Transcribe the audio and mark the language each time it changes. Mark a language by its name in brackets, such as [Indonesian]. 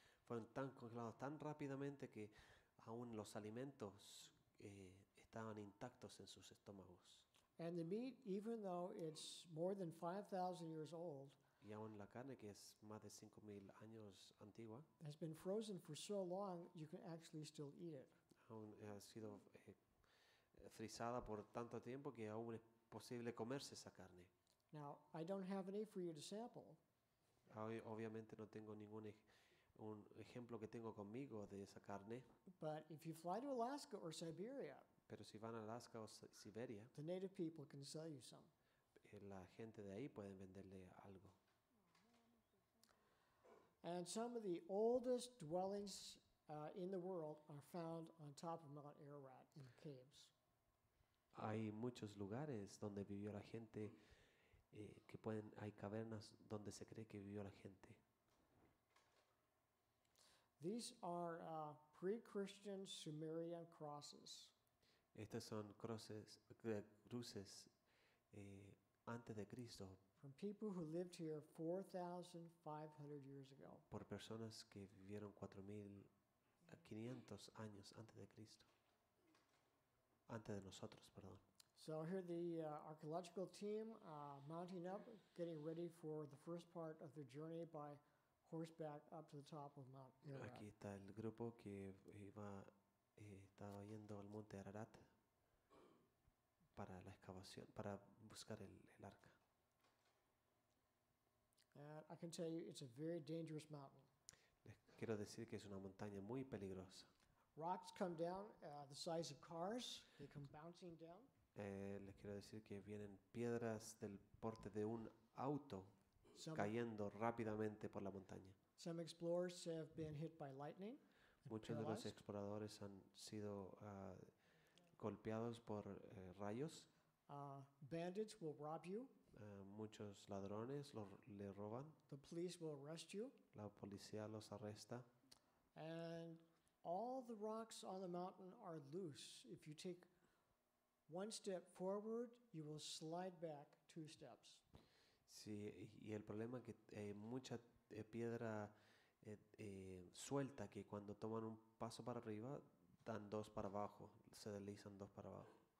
[Spanish] Fueron tan congelados tan rápidamente que aún los alimentos estaban intactos en sus estómagos. [English] And the meat, even though it's more than 5,000 years old, [Spanish] y aún la carne, que es más de 5,000 años antigua, [English] has been frozen for so long, you can actually still eat it. [Spanish] Aún ha sido frisada por tanto tiempo que aún es posible comerse esa carne. [English] Now, I don't have any for you to sample. [Spanish] Obviamente no tengo ningún un ejemplo que tengo conmigo de esa carne. [English] But if you fly to Alaska or Siberia, [Spanish] pero si van a Alaska o Siberia, [English] the native people can sell you some. [Spanish] La gente de ahí puede venderle algo. [English] And some of the oldest dwellings in the world are found on top of Mount Ararat in the caves. [Spanish] Hay muchos lugares donde vivió la gente que pueden, hay cavernas donde se cree que vivió la gente. [English] These are pre-Christian Sumerian crosses. [Spanish] Estas son cruces antes de Cristo. [English] From people who lived here 4,500 years ago. [Spanish] Por personas que vivieron 4,500 años antes de Cristo. Antes de nosotros, perdón. [English] So here the archaeological team mounting up, getting ready for the first part of their journey by horseback up to the top of Mount Ararat. [Spanish] Aquí está el grupo que iba estaba yendo al Monte Ararat para la excavación, para buscar el arca. [English] And I can tell you it's a very dangerous mountain. [Spanish] Les quiero decir que es una montaña muy peligrosa. [English] Rocks come down the size of cars. They come bouncing down. [Spanish] Les quiero decir que vienen piedras del porte de un auto cayendo rápidamente por la montaña. [English] Some explorers have been hit by lightning. [Spanish] Muchos de los exploradores han sido golpeados por rayos. [English] Bandits will rob you. [Spanish] Muchos ladrones le roban. [English] The police will arrest you. [Spanish] La policía los arresta. [English] And all the rocks on the mountain are loose. If you take One step forward, you will slide back two steps. [Spanish] Sí, y el problema es que mucha piedra suelta, que cuando toman un paso para arriba, dan dos para abajo, se deslizan dos para abajo.